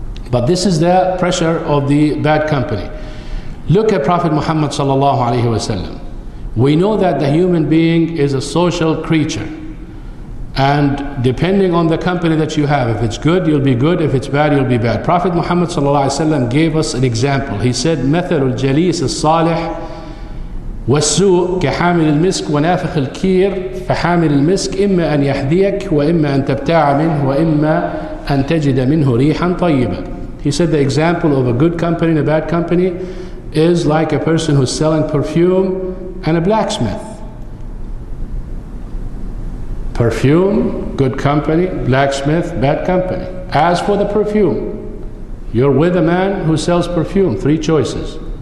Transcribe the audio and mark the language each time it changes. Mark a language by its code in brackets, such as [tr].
[en] But this is the pressure of the bad company. Look at Prophet Muhammad sallallahu alaihi wasallam. We know that the human being is a social creature, and depending on the company that you have, if it's good, you'll be good, if it's bad, you'll be bad. Prophet Muhammad sallallahu alaihi wasallam gave us an example. He said, [ar] "Mathalul jalis as-salih والسوء كحامل المسك ونافخ الكير فحامل المسك إما أن يحذيك وإما أن تبتاع منه وإما أن تجد منه ريحا طيبة." [en] He said the example of a good company and a bad company is like a person who's selling perfume and a blacksmith. Perfume, good company; blacksmith, bad company. As for the perfume, you're with a man who sells perfume. Three choices.